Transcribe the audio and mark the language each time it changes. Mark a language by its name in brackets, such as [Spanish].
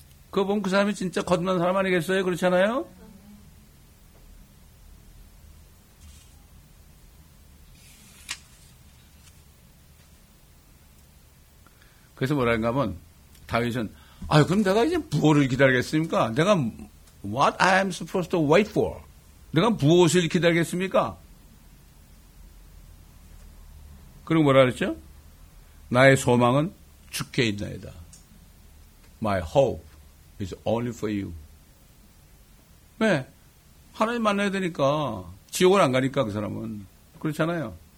[Korean] 그거 보면 그 사람이 진짜 거듭난 사람 아니겠어요? 그렇지 않아요? 그래서 뭐라는가 하면 다윗은 아 그럼 내가 이제 무엇을 기다리겠습니까? 내가 [English] what I am supposed to wait for? [Korean] 내가 무엇을 기다리겠습니까? 그리고 뭐라 그랬죠? 나의 소망은 주께 있나이다. [English] My hope is only for you. [Korean] 왜? 하나님 만나야 되니까 지옥을 안 가니까 그 사람은 그렇잖아요.